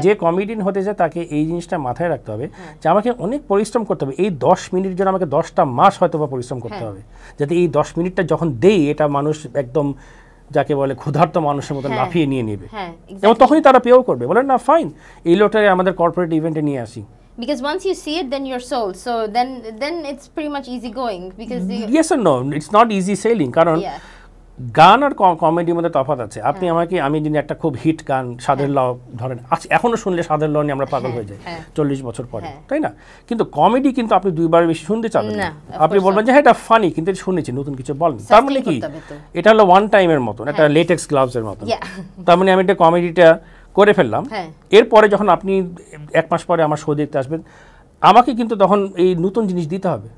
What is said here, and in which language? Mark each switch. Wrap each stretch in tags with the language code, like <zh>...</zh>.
<bn>যে কমেডিয়ান হতে চায় তাকে এই জিনিসটা মাথায় রাখতে হবে যে আমাকে অনেক পরিশ্রম করতে হবে, এই 10 মিনিট জন্য আমাকে 10টা মাস হয়তো বা পরিশ্রম করতে হবে, যাতে এই 10 মিনিটটা যখন দেই এটা মানুষ একদম যাকে বলে ক্ষুধার্ত মানুষের মতো লাফিয়ে নিয়ে নেবে, এবং তখনই তারা পেও করবে, বলে না ফাইন এই লোটারে আমাদের কর্পোরেট ইভেন্টে নিয়ে আসি।</bn> <en>Because once you see it, then you're sold. So then it's pretty much easy going. Because yes or no, it's not easy sailing.</en> <bn>কারণ গান আর কমেডির মধ্যে তফাৎ আছে। আপনি আমাকে, আমি যদি একটা খুব হিট গান সাদের লও ধরেন, এখনো শুনলে সাদের লও নিয়ে আমরা পাগল হয়ে যাই 40 বছর পরে, তাই না? কিন্তু কমেডি কিন্তু আপনি দুইবার বেশি শুনতে চান না, আপনি বলবেন যে হ্যাঁ এটা ফানি, কিন্তু শুনেছি, নতুন কিছু বলেন, তার মানে কি এটা হলো ওয়ান টাইমের মতন, একটা লেটেক্স গ্লাভস এর মতন, তার মানে আমি এটা কমেডিটা করে ফেললাম, এরপরে যখন আপনি 1 মাস পরে আমার শো দেখতে আসবেন, আমাকে কিন্তু তখন এই নতুন জিনিস দিতে হবে।</bn>